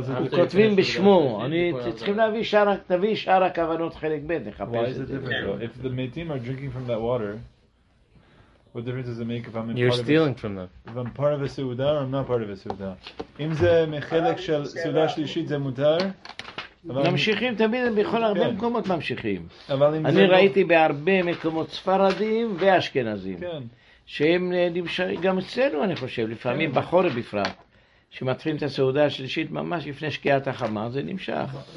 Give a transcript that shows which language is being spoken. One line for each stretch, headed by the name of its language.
Hebrew: כותבים בשמו, צריכים להביא שער, תביא שער הכוונות חלק ב', נחפש את זה.
English: Why is it difficult? If the metim are drinking from that water, what difference does it make if I'm in You're stealing from them. If I'm part of a Seudah or I'm not part of a Seudah.
Hebrew: אם זה מחלק של סעודה שלישית זה מותר? ממשיכים תמיד, בכל הרבה מקומות ממשיכים. אני ראיתי בהרבה מקומות ספרדים ואשכנזים. שהם נמשרים, גם אצלנו אני חושב, לפעמים בחורף בפרט, שמתחילים את הסעודה השלישית ממש לפני שקיעת החמה, זה נמשך.